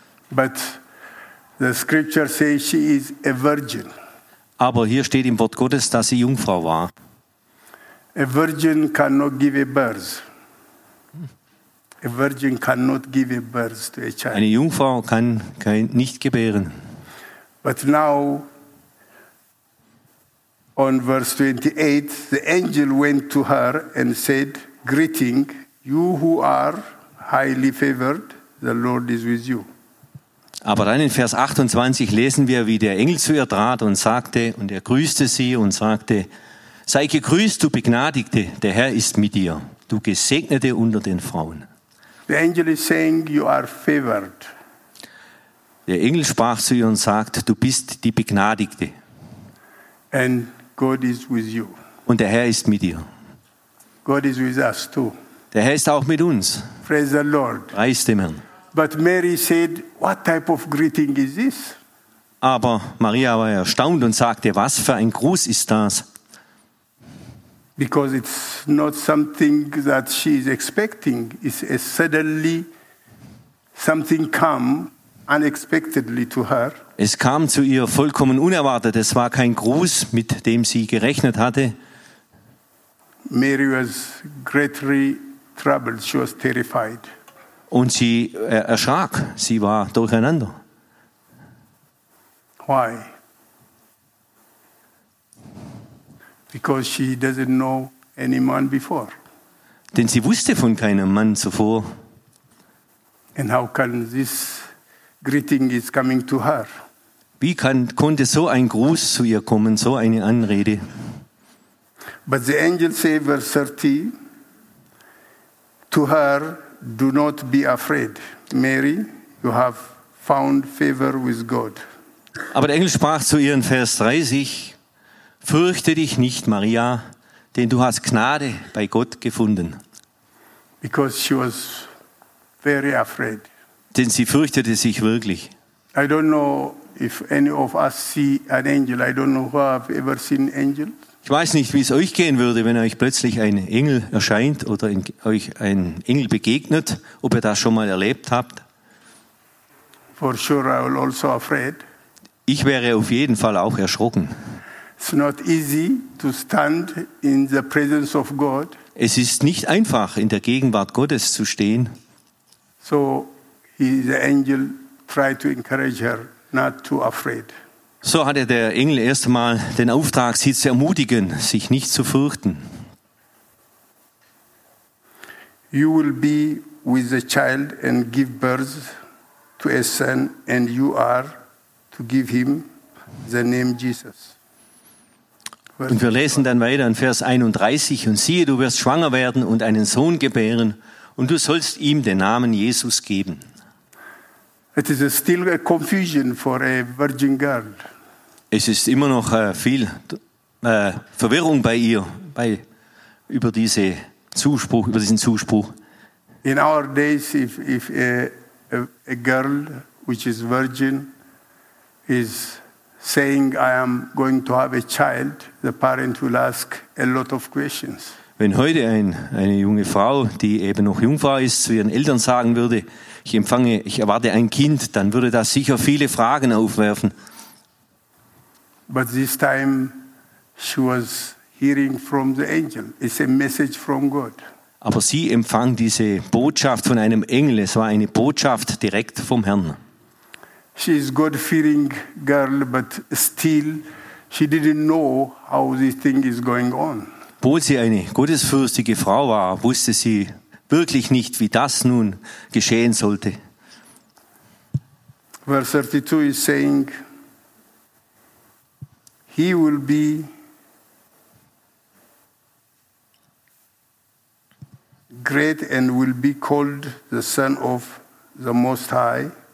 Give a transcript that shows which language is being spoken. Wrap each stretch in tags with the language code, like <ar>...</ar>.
<en>But the scripture says she is a virgin.</en> <de>Aber hier steht im Wort Gottes, dass sie Jungfrau war.</de> <en>A virgin cannot give a birth. A virgin cannot give a birth to a child.</en> <de>Eine Jungfrau kann nicht gebären.</de> <en>But now on verse 28, the angel went to her and said, greeting, you who are highly favored, the Lord is with you.</en> <de>Aber dann in Vers 28 lesen wir, wie der Engel zu ihr trat und sagte, und er grüßte sie und sagte, sei gegrüßt, du Begnadigte, der Herr ist mit dir, du Gesegnete unter den Frauen.</de> <en>The angel is saying, you are favored.</en> <de>Der Engel sprach zu ihr und sagt, du bist die Begnadigte.</de> <en>And God is with you.</en> <de>Und der Herr ist mit dir.</de> <en>God is with us too.</en> <de>Der Herr ist auch mit uns.</de> <en>Praise the Lord.</en> <de>Preist dem Herrn.</de> <en>But Mary said, what type of greeting is this?</en> <de>Aber Maria war erstaunt und sagte, was für ein Gruß ist das?</de> <en>Because it's not something that she is expecting. It's a suddenly something come unexpectedly to her.</en> <de>Es kam zu ihr vollkommen unerwartet. Es war kein Gruß, mit dem sie gerechnet hatte.</de> <en>Mary was greatly troubled. She was terrified.</en> <de>Und sie erschrak. Sie war durcheinander.</de> <en>Why? Because she doesn't know any man before.</en> <de>Denn sie wusste von keinem Mann zuvor.</de> <en>And how can this greeting is coming to her?</en> <de>Wie konnte so ein Gruß zu ihr kommen, so eine Anrede?</de> <en>But the angel say verse 30, to her, do not be afraid, Mary, you have found favor with God.</en> <de>Aber der Engel sprach zu ihr in Vers 30, fürchte dich nicht, Maria, denn du hast Gnade bei Gott gefunden.</de> <en>Because she was very afraid.</en> <de>Denn sie fürchtete sich wirklich.</de> <en>I don't know if any of us see an angel. I don't know who have ever seen angels.</en> <de>Ich weiß nicht, wie es euch gehen würde, wenn euch plötzlich ein Engel erscheint oder euch ein Engel begegnet, ob ihr das schon mal erlebt habt.</de> <en>For sure I will also afraid.</en> <de>Ich wäre auf jeden Fall auch erschrocken.</de> <en>It's not easy to stand in the presence of God.</en> <de>Es ist nicht einfach, in der Gegenwart Gottes zu stehen.</de> <en>So the angel tried to encourage her not to afraid.</en> <de>So hatte der Engel erst einmal den Auftrag, sie zu ermutigen, sich nicht zu fürchten.</de> <en>You will be with the child and give birth to a son, and you are to give him the name Jesus.</en> <de>Und wir lesen dann weiter in Vers 31, und siehe, du wirst schwanger werden und einen Sohn gebären, und du sollst ihm den Namen Jesus geben.</de> <en>It is still a confusion for a virgin girl.</en> <de>Es ist immer noch viel Verwirrung bei ihr über diesen Zuspruch.</de> <en>In our days, if a girl which is virgin is saying I am going to have a child, the parent will ask a lot of questions.</en> <de>Wenn heute eine junge Frau, die eben noch Jungfrau ist, zu ihren Eltern sagen würde, ich erwarte ein Kind, dann würde das sicher viele Fragen aufwerfen.</de> <en>But this time she was hearing from the angel. It's a message from God.</en> <de>Aber sie empfang diese Botschaft von einem Engel. Es war eine Botschaft direkt vom Herrn.</de> <en>She is a God-fearing girl, but still she didn't know how this thing is going on.</en> <de>Obwohl sie eine gottesfürchtige Frau war, wusste sie wirklich nicht, wie das nun geschehen sollte.</de> <en>Verse 32 is saying, he will be great and will be called the Son of the Most High.</en>